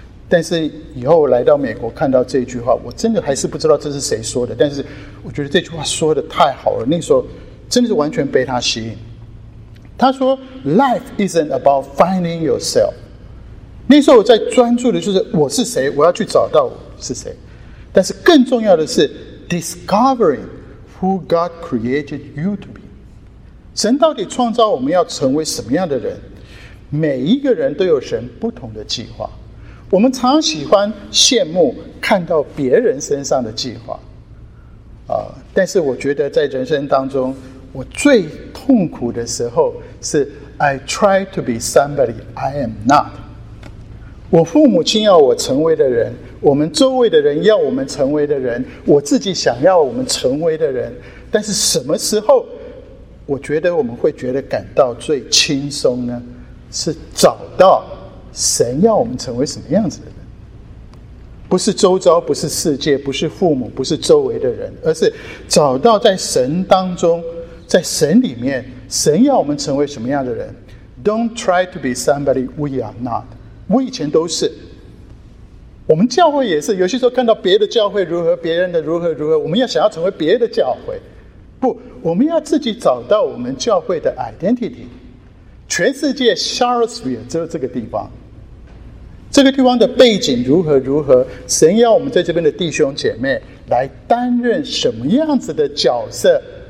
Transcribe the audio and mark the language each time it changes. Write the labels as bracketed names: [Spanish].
[Chinese] 但是以后来到美国看到这句话，我真的还是不知道这是谁说的，但是我觉得这句话说得太好了，那时候真的是完全被他吸引。他说 [English] Life isn't about finding yourself。 [Chinese] 那时候我在专注的就是我是谁，我要去找到我是谁。但是更重要的是 [English] discovering who God created you to be。 [Chinese] 神到底创造我们要成为什么样的人？每一个人都有神不同的计划。我们常喜欢羡慕看到别人身上的计划，但是我觉得在人生当中我最痛苦的时候是 [English] I try to be somebody I am not。 [Chinese] 我父母亲要我成为的人，我们周围的人要我们成为的人，我自己想要我们成为的人，但是什么时候我觉得我们会觉得感到最轻松呢？是找到神要我们成为什么样子的人，不是周遭，不是世界，不是父母，不是周围的人，而是找到在神当中，在神里面，神要我们成为什么样的人。 [English] Don't try to be somebody we are not。 [Chinese] 我以前都是，我们教会也是，有些时候看到别的教会如何，别人的如何如何，我们要想要成为别的教会。不，我们要自己找到我们教会的 identity。全世界 Charlottesville 就是这个地方，这个地方的背景如何如何，神要我们在这边的弟兄姐妹来担任什么样子的角色。